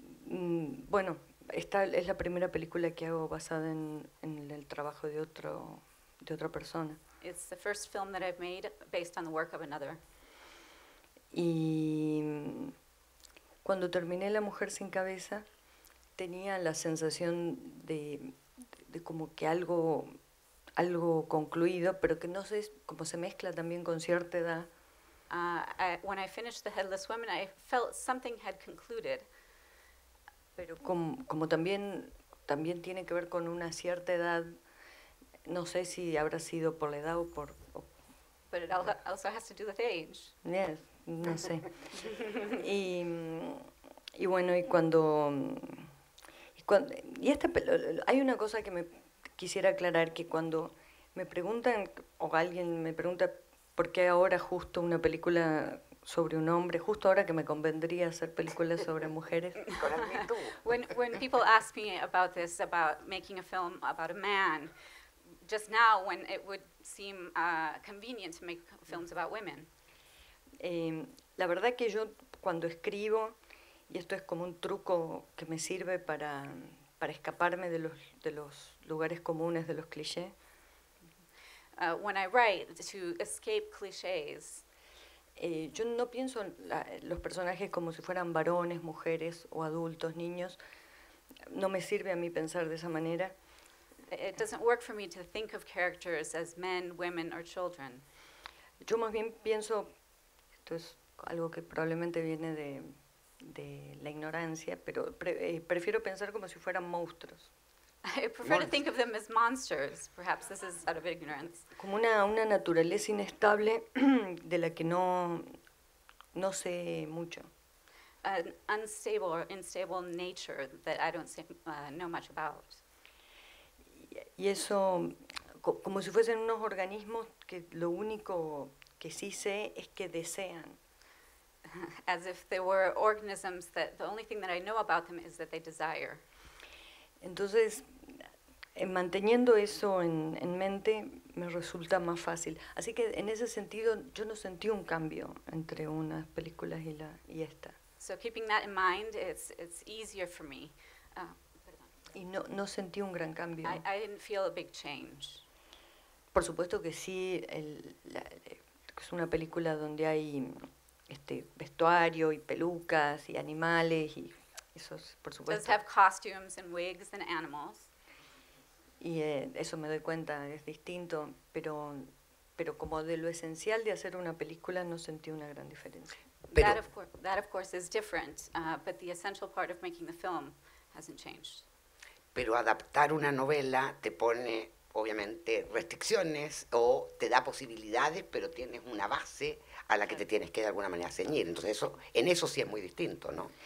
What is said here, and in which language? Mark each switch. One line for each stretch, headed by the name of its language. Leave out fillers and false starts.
Spanish: bueno, esta es la primera película que hago basada en el trabajo de otra persona.
English: It's the first film that I've made based on the work of another.
Spanish: Y cuando terminé La Mujer Sin Cabeza, tenía la sensación de como que algo concluido, pero que no sé, como se mezcla también con cierta edad.
English: When I finished The Headless Woman, I felt something had concluded.
Spanish: Pero como también tiene que ver con una cierta edad, no sé si habrá sido por la edad o por...
English: But it also has to do with age. Yes,
Spanish: no sé. Y bueno, hay una cosa que me quisiera aclarar, que cuando me preguntan, o alguien me pregunta por qué ahora justo una película... sobre un hombre, justo ahora que me convendría hacer películas sobre mujeres.
English: when people ask me about this, about making a film about a man, just now when it would seem convenient to make films about women.
Spanish: La verdad que yo cuando escribo, y esto es como un truco que me sirve para escaparme de los lugares comunes, de los clichés.
English: When I write, to escape clichés,
Spanish: yo no pienso los personajes como si fueran varones, mujeres o adultos, niños. No me sirve a mí pensar de esa manera.
English: It doesn't work for me to think of characters as men, women or children.
Spanish: Yo más bien pienso, esto es algo que probablemente viene de la ignorancia, pero prefiero pensar como si fueran monstruos.
English: I prefer monsters. To think of them as monsters, perhaps this is out of ignorance.
Spanish: Como una naturaleza inestable de la que no sé mucho.
English: An unstable or instable nature that I don't know much about.
Spanish: Y eso, como si fuesen unos organismos que lo único que sí sé es que desean.
English: As if they were organisms that the only thing that I know about them is that they desire.
Spanish: Entonces, manteniendo eso en mente, me resulta más fácil. Así que en ese sentido, yo no sentí un cambio entre unas películas y esta.
English: So keeping that in mind, it's easier for me.
Spanish: Y no sentí un gran cambio.
English: I didn't feel a big change.
Spanish: Por supuesto que sí, es una película donde hay vestuario y pelucas y animales y... eso es, por supuesto.
English: Does have costumes and wigs and animals.
Spanish: Y eso me doy cuenta, es distinto, pero como de lo esencial de hacer una película no sentí una gran diferencia.
English: That of course is different, but the essential part of making the film hasn't changed.
Spanish: pero adaptar una novela te pone, obviamente, restricciones o te da posibilidades, pero tienes una base a la que te tienes que de alguna manera ceñir. Entonces, eso, en eso sí es muy distinto, ¿no?